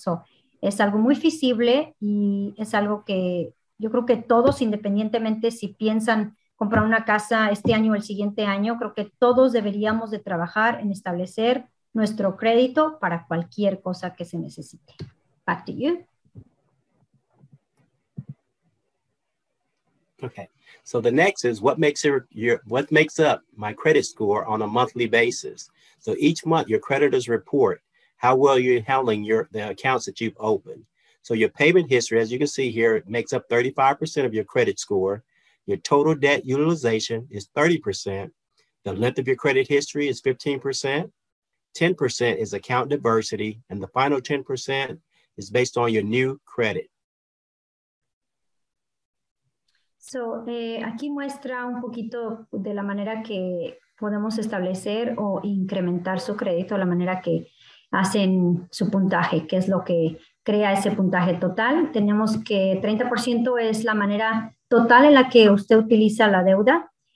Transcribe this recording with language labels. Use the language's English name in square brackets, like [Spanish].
[Spanish] So, es algo muy visible y es algo que yo creo que todos, independientemente si piensan comprar una casa este año o el siguiente año, creo que todos deberíamos de trabajar en establecer nuestro crédito para cualquier cosa que se necesite. [English] Back to you. Okay, so the next is what makes up my credit score on a monthly basis. So each month your creditors report how well you're handling the accounts that you've opened. So your payment history, as you can see here, makes up 35% of your credit score. Your total debt utilization is 30%. The length of your credit history is 15%. 10% is account diversity, and the final 10% is based on your new credit. [Spanish] So, aquí muestra un poquito de la manera que podemos establecer o incrementar su crédito, la manera que hacen su puntaje, que es lo que crea ese puntaje total. Tenemos que 30% es la manera total en la que usted utiliza la deuda.